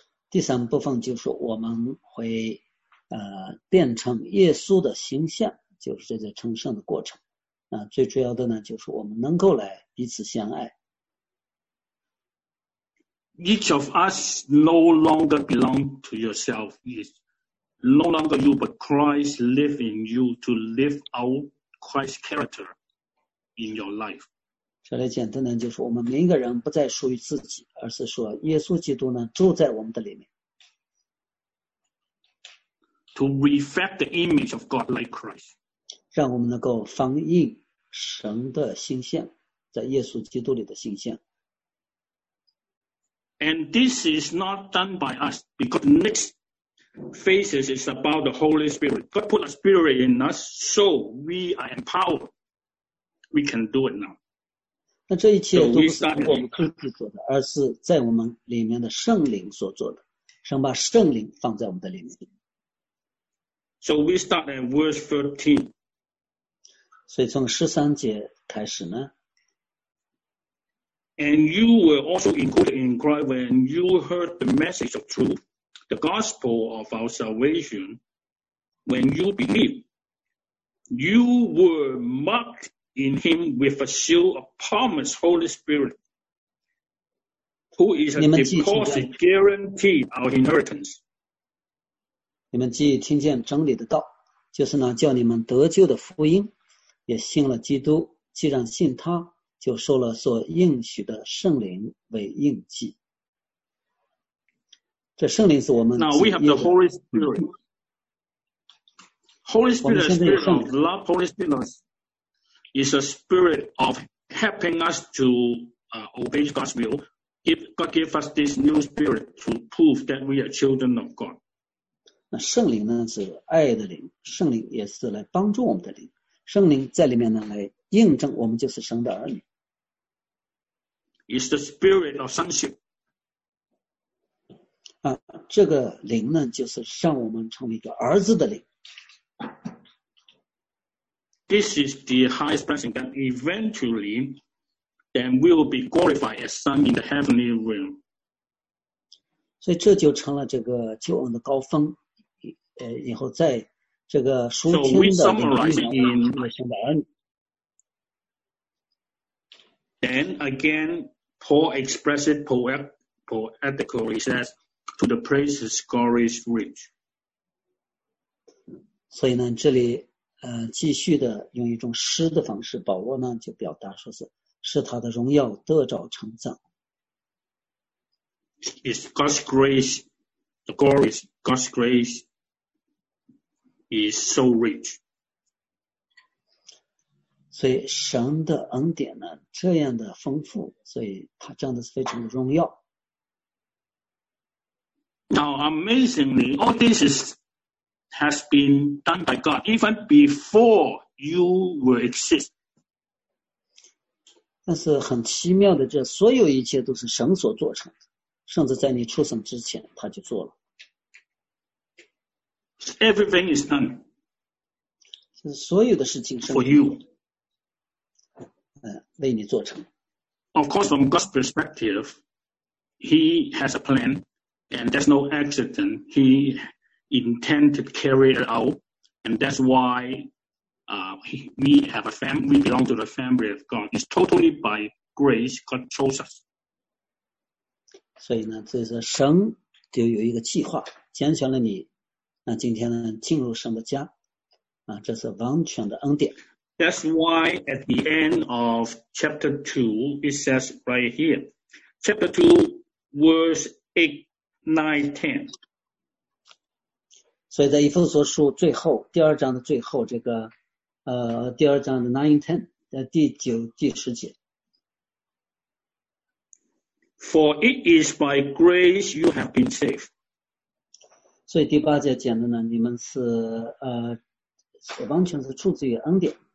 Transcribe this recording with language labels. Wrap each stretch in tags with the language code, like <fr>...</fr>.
<zh>第三部分就是我们会变成耶稣的形象，就是这个成圣的过程。最主要的呢就是我们能够来彼此相爱。</zh> <en>Each of us no longer belong to yourself, is no longer you, but Christ live in you to live out Christ's character in your life.</en> <zh>这里简单的就是我们每一个人不再属于自己，而是说耶稣基督呢住在我们的里面。</zh> <en>To reflect the image of God like Christ.</en> <zh>让我们能够反映神的形象，在耶稣基督里的形象。</zh> <en>And this is not done by us, because the next phase is about the Holy Spirit. God put a spirit in us, so we are empowered. We can do it now.</en> <zh>那这一切都不是我们自己做的，而是在我们里面的圣灵所做的。神把圣灵放在我们的里面。</zh> <en>So we start at verse 13.</en> <zh>所以从十三节开始呢。</zh> <en>And you were also included in Christ when you heard the message of truth, the gospel of our salvation. When you believed, you were marked. In him with a seal of promise, Holy Spirit, who is a deposit guarantee our inheritance.</en> <zh>你们既听见真理的道，就是呢叫你们得救的福音，也信了基督，既然信他，就受了所应许的圣灵为印记。这圣灵是我们</zh> <en>Now we have the Holy Spirit. Holy Spirit, Spirit of love, Holy Spirit is a spirit of helping us to obey God's will. If God gives us this new spirit to prove that we are children of God.</en> <zh>那圣灵呢，是爱的灵，圣灵也是来帮助我们的灵，圣灵在里面呢，来印证我们就是神的儿女。</zh> <en>It's the spirit of sonship.</en> <zh>啊，这个灵呢，就是让我们成为一个儿子的灵。</zh> <en>This is the highest blessing that eventually then will be glorified as son in the heavenly realm.</en> <zh>所以这就成了这个救恩的高峰。以后在这个属天的领域中的恩。</zh> <en>Then again, Paul expressed it poetically, says, "To the praise his glory is rich."</en> <zh>所以呢，这里继续的用一种诗的方式，保罗呢就表达说是是他的荣耀得着称赞。</zh> <en>It's God's grace, the glory is God's grace. Is so rich.</en> <zh>所以神的恩典呢，这样的丰富，所以他真的是非常的荣耀。</zh> <en>Now, amazingly, all this is, has been done by God even before you were exist.</en> <zh>但是很奇妙的，这所有一切都是神所做成的，甚至在你出生之前，他就做了。</zh> <en>Everything is done.</en> <zh>是所有的事情是</zh> <en>for you.</en> <zh>为你做成。</zh> <en>Of course, from God's perspective, He has a plan, and there's no accident. He intends to carry it out, and that's why we have a family. We belong to the family of God. It's totally by grace God chose us.</en> <zh>所以呢，这是神就有一个计划，拣选了你。那今天呢，进入什么家？啊，这是完全的恩典。</zh> <en>That's why at the end of chapter 2, it says right here, chapter 2, verse 8, 9, 10.</en> <zh>所以在以弗所书最后，第二章的最后，这个，第二章的 9, 10, 第九、第十节。</zh> <en>For it is by grace you have been saved.</en> <zh>所以第八节讲的呢，你们是完全是出自于恩典</zh>